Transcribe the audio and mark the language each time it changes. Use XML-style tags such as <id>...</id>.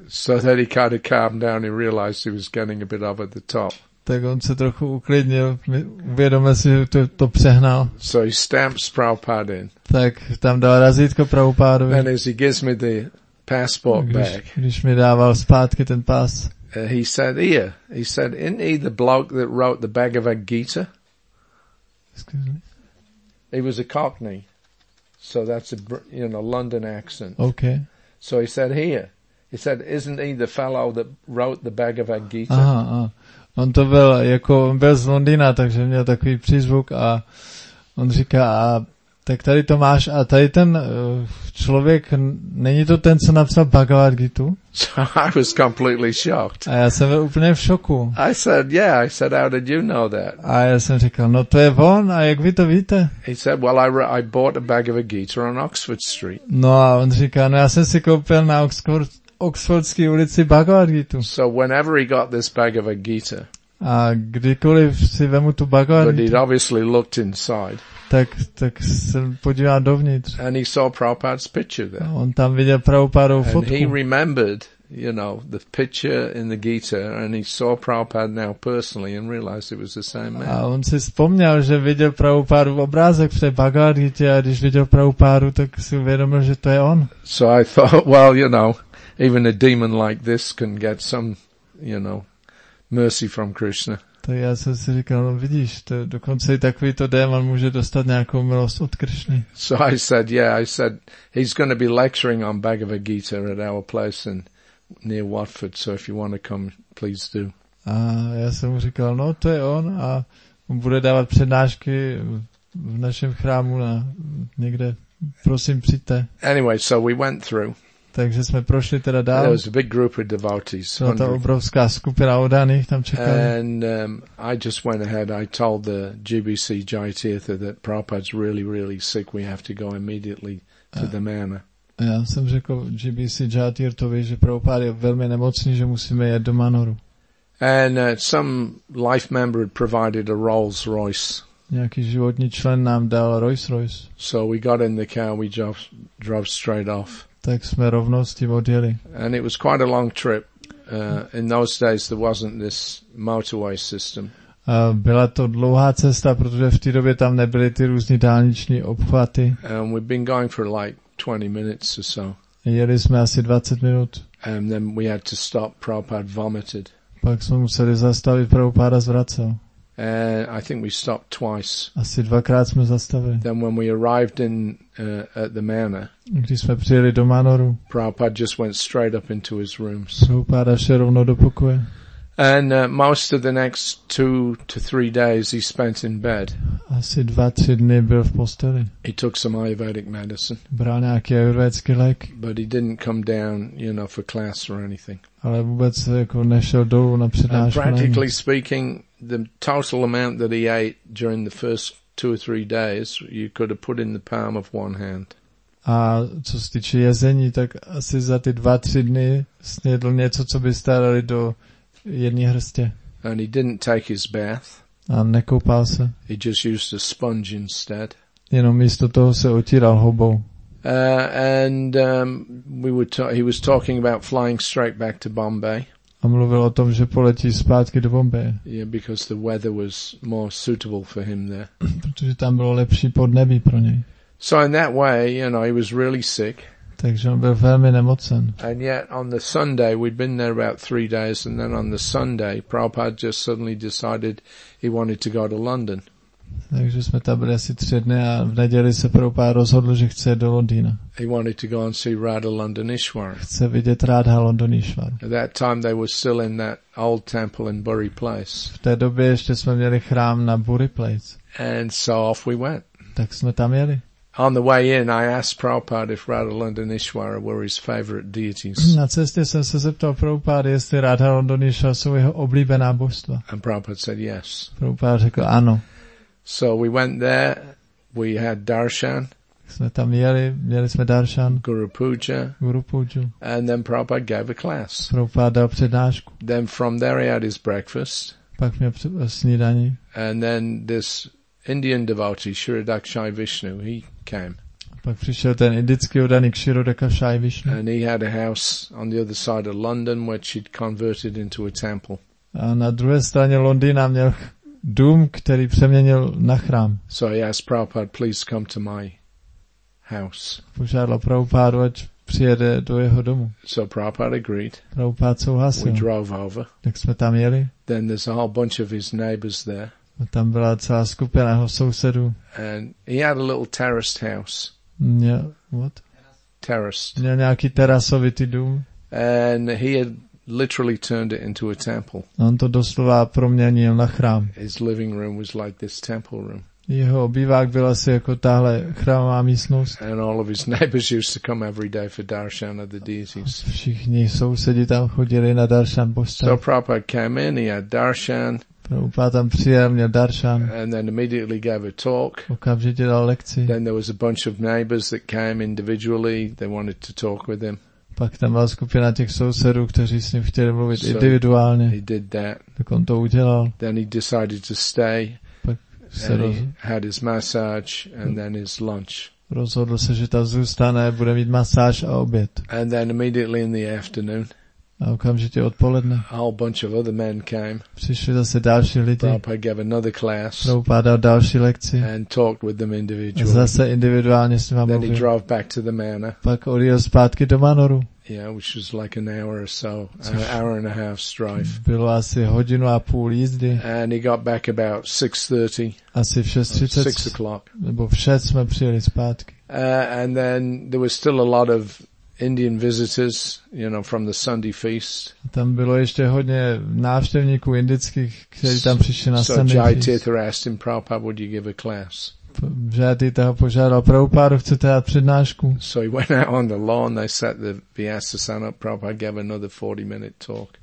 <en>So then he kind of calmed down and realized he was getting a bit over the top.</en> <cs>Tak on se trochu uklidnil, uvědomil si, že to přehnal.</cs> <en>So he stamps Prabhupada in.</en> <cs>Tak tam dal razítko Prabhupádovi.</cs> <en>And as he gives me the passport back.</en> <cs>Když mi dával zpátky ten pas.</cs> <en>He said, "Here." He said, "Isn't he the bloke that wrote the Bhagavad Gita?" Excuse me. He was a Cockney, so that's a, you know, London accent. Okay. So he said, here. He said, isn't he the fellow that wrote the Bhagavad Gita? Aha, aha.</en> <cs>On to byl, jako, on byl z Londýna, takže měl takový přízvuk a on říká, a tak tady to máš, a tady ten člověk, není to ten, co napsal Bhagavad Gita?</cs> <en>So I was completely shocked.</en> <cs>A já jsem byl úplně v šoku.</cs> <en>I said, yeah, I said, how did you know that?</en> <cs>A já jsem říkal, no to je on, a jak vy to víte?</cs> <en>He said, well, I bought a Bhagavad Gita on Oxford Street.</en> <cs>No a on říká, no já jsem si koupil na Oxfordské ulici Bhagavad Gita.</cs> <en>So whenever he got this Bhagavad Gita.</en> <cs>A kdykoliv si vemu tu Bhagavad Gita.</cs> <en>But he'd obviously looked inside.</en> <cs>Tak se podíval dovnitř.</cs> <en>And he saw Prabhupada's picture there.</en> <cs>On tam viděl Prabhupádovu fotku.</cs> <en>And he remembered, you know, the picture in the Gita, and he saw Prabhupada now personally and realized it was the same man.</en> <cs>A on si vzpomněl, že viděl Prabhupádu obrázek v té Bhagavad Gita, a když viděl Prabhupádu, tak si uvědomil, že to je on.</cs> <en>So I thought, well, you know, even a demon like this can get some, you know, mercy from Krishna.</en> <cs>To já jsem si říkal, no vidíš, to dokonce i takovýto démon může dostat nějakou milost od Krišny.</cs> <en>So I said, yeah, I said, he's going to be lecturing on Bhagavad Gita at our place in near Watford, so if you want to come, please do.</en> <cs>A já jsem mu říkal, no to je on a on bude dávat přednášky v našem chrámu na někde, prosím přijďte.</cs> <en>Anyway, so we went through.</en> <cs>Takže jsme prošli teda dál.</cs> <en>There was a big group of devotees.</en> <cs>Byla ta obrovská skupina oddaných tam čekali.</cs> <en>And I just went ahead. I told the GBC Jai Tirtha that Prabhupada's really, really sick. We have to go immediately to the manor.</en> <cs>Já jsem řekl GBC Jai Tirthovi, že Prabhupada je velmi nemocný, že musíme jet do manoru.</cs> <en>And some life member had provided a Rolls Royce.</en> <cs>Nějaký životní člen nám dal Rolls Royce.</cs> <en>So we got in the car. We drove straight off.</en> <cs>Tak jsme rovnou s tím odjeli.</cs> <en>And it was quite a long trip. In those days there wasn't this motorway system.</en> <cs>Byla to dlouhá cesta, protože v té době tam nebyly ty různé dálniční obchvaty.</cs> <en>And we've been going for like 20 minutes or so.</en> <cs>Jeli jsme asi 20 minut.</cs> <en>And then we had to stop. Prabhupada vomited.</en> <cs>Pak jsme museli zastavit, Prabhupada zvracel.</cs> <en>And I think we stopped twice.</en> <cs>Asi dvakrát jsme zastavili.</cs> <en>Then when we arrived in at the manor.</en> <cs>Když jsme přijeli do manoru.</cs> <en>Prabhupada just went straight up into his rooms.</en> <cs>Prabhupada šel rovno do pokoje.</cs> <en>And most of the next 2 to 3 days he spent in bed.</en> <cs>Asi 2-3 dny byl v posteli.</cs> <en>He took some Ayurvedic medicine.</en> <cs>Bral nějaký ayurvédský lék.</cs> <en>But he didn't come down, you know, for class or anything.</en> <cs>Ale vůbec jako nešel dolů na přednášku.</cs> <en>Practically speaking, the total amount that he ate during the first 2 or 3 days, you could have put in the palm of one hand.</en> <cs>A co se týče jezení, tak asi za ty 2-3 dny snědl něco, co by stárali do jedné hrstě.</cs> <en>And he didn't take his bath.</en> <cs>A nekoupal se.</cs> <en>He just used a sponge instead.</en> <cs>Jenom místo toho se otíral houbou.</cs> <en>He was talking about flying straight back to Bombay.</en> <cs>A mluvil o tom, že poletí zpátky do Bombaje.</cs> <en>Yeah, because the weather was more suitable for him there.</en> <cs>Protože tam bylo lepší podnebí pro něj.</cs> <en>So in that way, you know, he was really sick.</en> <cs>Takže on byl velmi nemocen.</cs> <en>And yet on the Sunday, we'd been there about 3 days, and then on the Sunday, Prabhupada just suddenly decided he wanted to go to London.</en> <cs>Takže jsme tam byli asi 3 dny a v neděli se Prabhupada rozhodl, že chce do Londýna.</cs> <en>He wanted to go and see Radha Londonishwar.</en> <cs>Chce vidět Radha Londonishwar.</cs> <en>At that time they were still in that old temple in Bury Place.</en> <cs>V té době ještě jsme měli chrám na Bury Place.</cs> <en>And so off we went.</en> <cs>Tak jsme tam jeli.</cs> <en>On the way in, I asked Prabhupada if Radha Londonishwara were his favorite deities.</en> <cs>Na cestě jsem se zeptal Prabhupada, jestli Radha Londonishwara jsou jeho oblíbená božstva.</cs> <en>And Prabhupada said yes.</en> <cs>Prabhupada řekl ano.</cs> <en>So we went there, we had darshan.</en> <cs>Jsme tam jeli, měli jsme darshan.</cs> <en>Guru Puja.</en> <cs>Guru Puja.</cs> <en>And then Prabhupada gave a class.</en> <cs>Prabhupada dal přednášku.</cs> <en>Then from there he had his breakfast.</en> <cs>Pak měl snídaní.</cs> <en>And then this Indian devotee, Shirodakshai Vishnu, he came.</en> <cs>Pak přišel ten indický oddaný Shirodakshai Vishnu.</cs> <en>And he had a house on the other side of London, which he'd converted into a temple.</en> <cs>A na druhé straně Londýna měl dům, který přeměnil na chrám.</cs> <en>So he asked Prabhupada, please come to my house.</en> <cs>Požádal Prabhupádu, ať přijede do jeho domu.</cs> <en>So Prabhupada agreed.</en> <cs>Prabhupád souhlasil.</cs> <en>We drove over.</en> <cs>Tak jsme tam jeli.</cs> <en>Then there's a whole bunch of his neighbors there.</en> <cs>A tam byla celá skupina jeho sousedů.</cs> <en>And he had a little terraced house. Yeah, what? terraced.</en> <cs>Měl nějaký terasovitý dům.</cs> <en>And he had literally turned it into a temple.</en> <cs>On to doslova proměnil na chrám.</cs> <en>His living room was like this temple room.</en> <cs>Jeho obývák byl asi jako tahle chrámová místnost.</cs> <en>And all of his neighbors used to come every day for darshan of the deities.</en> <cs>Všichni sousedi tam chodili na darshan postav.</cs> <en>So Prabhupada came in, he had darshan.</en> <cs>Prabhupada tam přijel, měl darshan.</cs> <en>And then immediately gave a talk.</en> <cs>Okamžitě dal lekci.</cs> <en>Then there was a bunch of neighbors that came individually, they wanted to talk with him.</en> <cs>Pak tam byla skupina těch sousedů, kteří s ním chtěli mluvit individuálně.</cs> <en>He did that.</en> <cs>Tak on to udělal.</cs> <en>Then he decided to stay. And he had his massage and then his lunch.</en> <cs>Rozhodl se, že tam zůstane, bude mít masáž a oběd.</cs> <en>And then immediately in the afternoon,</en> <cs>a okamžitě odpoledne,</cs> <en>a whole bunch of other men came.</en> <cs>Přišli zase další lidi.</cs> <en>Prabhupada gave another class.</en> <cs>Prabhupada dal další lekci.</cs> <en>And talked with them individually.</en> <cs>A zase individuálně s nima mluvil.</cs> <en>Then he drove back to the manor.</en> <cs>Pak odjel zpátky do manoru.</cs> <en>Yeah, which was like an hour or so, an hour and a half drive.</en> <cs>Bylo asi hodinu a půl jízdy.</cs> <en>And he got back about 6:30.</en> <cs>Asi v 6:30.</cs> <en>6 o'clock.</en> <cs>Nebo v 6 jsme přijeli zpátky.</cs> <en>And then there was still a lot of Indian visitors, you know, from the Sunday feast.</en> <cs>Tam bylo ještě hodně návštěvníků indických, kteří tam přišli na</cs> <en>Sunday feast. So Jai Tirtha asked him, Prabhupada, would you give a class?</en> <cs>Žádita ho požádal, Prabhupada, chcete dát přednášku?</cs> <en>So he went out on the lawn, they set the Vyasasana up, Prabhupada gave another 40-minute talk.</en>